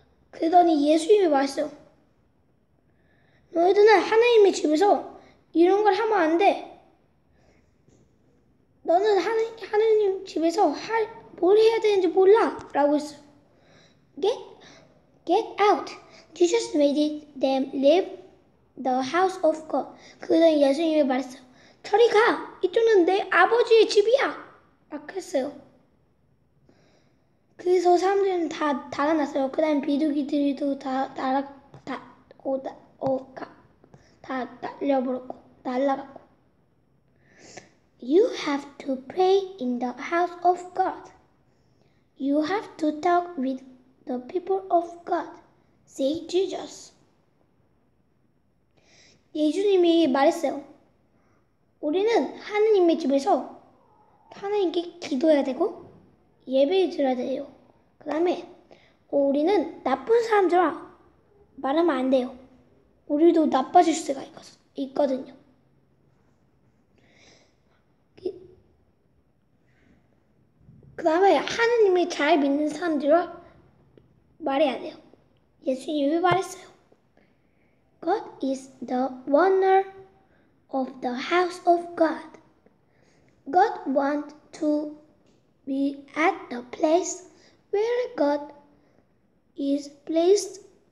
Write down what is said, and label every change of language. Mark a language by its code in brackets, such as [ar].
[ko] 그러더니 예수님이 말했어. 너희들은 하나님의 집에서 이런 걸 하면 안 돼. 너는 하느님 집에서 뭘 해야 되는지 몰라 라고 했어. [en] Get out. Jesus made them leave the house of God. [ko] 그러더니 예수님이 말했어. 저리 가. 이쪽은 내 아버지의 집이야 막 했어요. 그래서 사람들은 다 달아났어요. 그 다음 비둘기들도 다 날아 다오다오가다 날려버렸고 날라갔고. [en] You have to pray in the house of God. You have to talk with the people of God, say Jesus. [ko] 예수님이 말했어요. 우리는 하느님의 집에서 하느님께 기도해야 되고 예배 드려야 돼요. 그 다음에 우리는 나쁜 사람들아 말하면 안 돼요. 우리도 나빠질 수가 있거든요. 그 다음에 하느님을 잘 믿는 사람들은 말해야 돼요. 예수님이 말했어요. [en] God is the owner of the house of God. God wants to be at the place where God is placed.